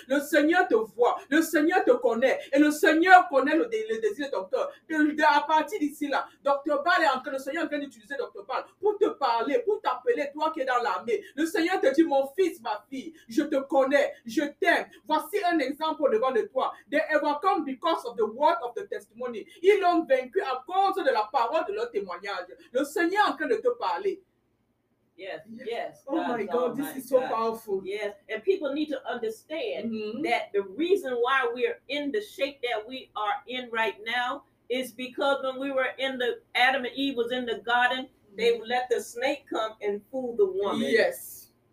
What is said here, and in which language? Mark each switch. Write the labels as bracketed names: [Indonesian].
[French] Le Seigneur te voit. Le Seigneur te connaît. Et le Seigneur connaît le désir de docteur. À partir d'ici là, docteur Ball est en train, le Seigneur est en train d'utiliser docteur Ball pour te parler, pour t'appeler. Toi qui es dans l'armée, le Seigneur te dit, mon fils, ma fille, je te connais, je t'aime. Voici un exemple devant de toi. [English] They overcome because of the word of the testimony. [French] Ils l'ont vaincu à cause de la parole de leur témoignage. Le Seigneur est en train de te parler. [English] Yes, yes. Oh my God, this is so powerful. Yes, and people need to understand that the reason why we are in the shape that we are in right now is because when we were in the, Adam and Eve was in the garden, they let the snake come and fool the woman. Yes.